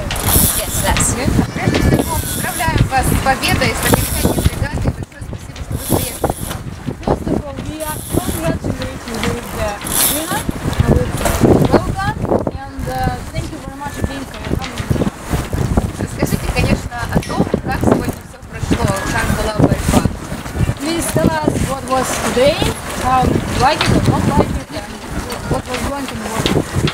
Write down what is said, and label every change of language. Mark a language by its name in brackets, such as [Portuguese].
[Russian] Поздравляем вас с победой, с окончанием регаты. Большое спасибо, что вы приехали. [English] First of all, we are so glad to meet you with the winner, with Volga, and thank you very much again for coming. [Russian] Расскажите, конечно, о том, как сегодня все прошло, как была борьба. [English] Please tell us what was today, how like it or not like it, and what was going to work.